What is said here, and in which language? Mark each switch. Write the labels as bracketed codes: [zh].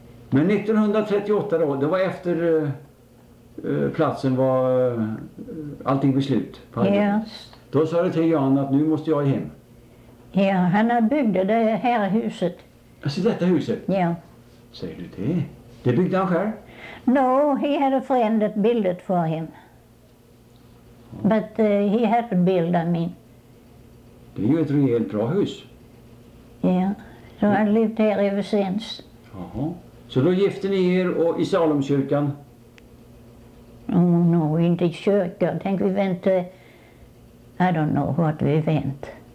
[sv] Men 1938 då, det var efter... platsen var allting beslut. [en] Yes. [sv] Då sa du till Jan att nu måste jag hem. Ja, yeah, han har byggt det här huset. Alltså detta huset? Ja. Yeah. Säger du det? Det byggde han själv? [en] No, he had a friend that built it for him. But he had to build, I mean. [sv] Det är ju ett rejält bra hus. Ja, [en] yeah. So I lived here ever since. [sv] Jaha. Så då gifte ni er och i Salomkyrkan? [en] Oh no, [sv] inte i kyrka. [en] I think we went to... I don't know what we went.